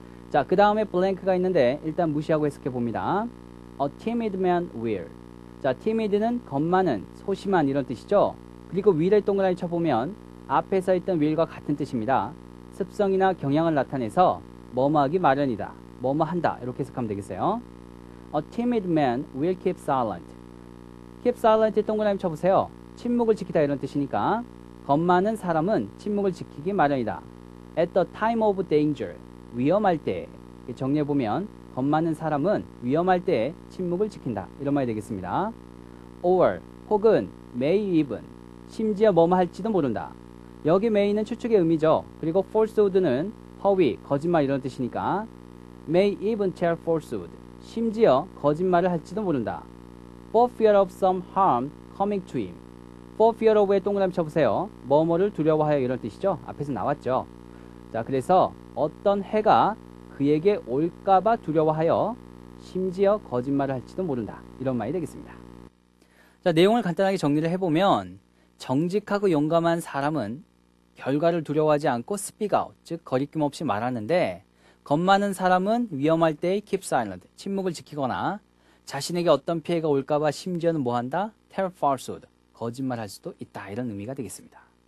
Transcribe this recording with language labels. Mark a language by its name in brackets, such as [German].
[Korean] 자, 그 다음에 blank가 있는데 일단 무시하고 해석해 봅니다. [English] A timid man will. [Korean] 자, timid는 겁많은, 소심한 이런 뜻이죠. 그리고 will의 동그라미 쳐보면 앞에 서 있던 will과 같은 뜻입니다. 습성이나 경향을 나타내서 뭐뭐하기 마련이다, 뭐뭐한다 이렇게 해석하면 되겠어요. [English] A timid man will keep silent. [Korean] Keep silent의 동그라미 쳐보세요. 침묵을 지키다 이런 뜻이니까 겁많은 사람은 침묵을 지키기 마련이다. [English] At the time of danger, [Korean] 위험할 때. 정리해보면 겁많은 사람은 위험할 때 침묵을 지킨다. 이런 말이 되겠습니다. Or, 혹은 [English] may even, [Korean] 심지어 뭐뭐 할지도 모른다. 여기 may는 추측의 의미죠. 그리고 falsehood는 허위, 거짓말 이런 뜻이니까 [English] may even tell falsehood, [Korean] 심지어 거짓말을 할지도 모른다. [English] For fear of some harm coming to him. [Korean] For fear of의 동그라미 쳐보세요. 뭐뭐를 두려워하여 이런 뜻이죠. 앞에서 나왔죠. 자, 그래서 어떤 해가 그에게 올까봐 두려워하여 심지어 거짓말을 할지도 모른다. 이런 말이 되겠습니다. 자, 내용을 간단하게 정리를 해보면 정직하고 용감한 사람은 결과를 두려워하지 않고 speak out, 즉 거리낌 없이 말하는데 겁많은 사람은 위험할 때 keep silent, 침묵을 지키거나 자신에게 어떤 피해가 올까봐 심지어는 뭐한다? [English] tell falsehood, [Korean] 거짓말할 수도 있다. 이런 의미가 되겠습니다.